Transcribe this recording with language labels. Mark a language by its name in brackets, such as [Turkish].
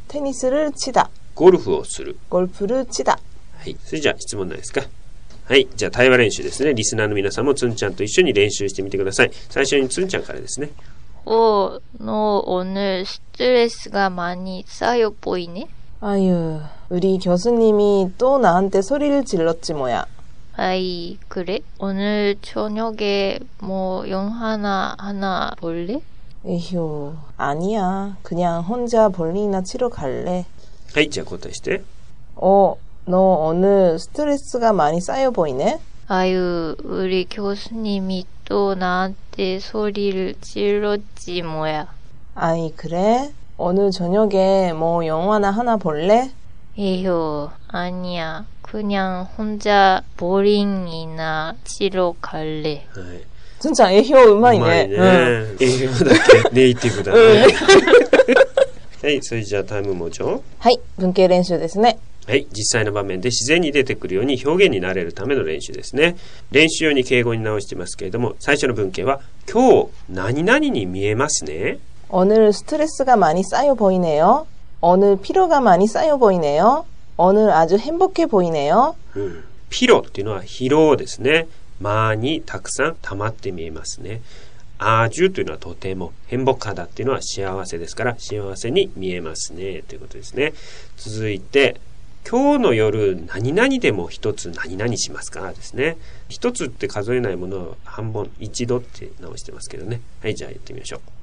[Korean] テニスルチダ。 [Japanese] ゴルフをする。 [Korean] ゴルプルチダ。 [Japanese] はい。それじゃあ質問ないですか。はい。じゃあ対話練習ですね。リスナーの皆さんもツンちゃんと一緒に練習してみてください。最初にツンちゃんからですね。 [Korean] おのおぬストレスが많이쌓여보이네。 아유우리교수님이또나한테소리를질렀지뭐야 아이그래오늘저녁에뭐영화나하나볼래 에휴아니야그냥혼자볼링이나치러갈래 [Japanese] はい、じゃあ交代して。 [Korean] お、너오늘스트레스가많이쌓여보이네 아유우리교수님이또나한테소리를질렀지뭐야 아이그래오늘저녁에뭐영화나하나볼래 에휴아니야그냥혼자보링이나치러갈래 진짜에휴 [Japanese] うまいね。うまいね。에휴だけネイティブだね。はい、それじゃあタイムもちょう。はい、文型練習ですね。はい、実際の場面で自然に出てくるように表現になれるための練習ですね。練習用に敬語に直してますけれども、最初の文型は今日何々に見えますね。 [Korean] 오늘스트레스가많이쌓여보이네요오늘피로가많이쌓여보이네요오늘아주행복해보이네요 [Japanese] 피로っていうのは疲労ですね많이たくさん溜まって見えますね아주というのはとても행복하다っていうのは幸せですから幸せに見えますねということですね続いて今日の夜何々でも一つ何々しますかですね一つって数えないものは半分一度って直してますけどねはいじゃあやってみましょう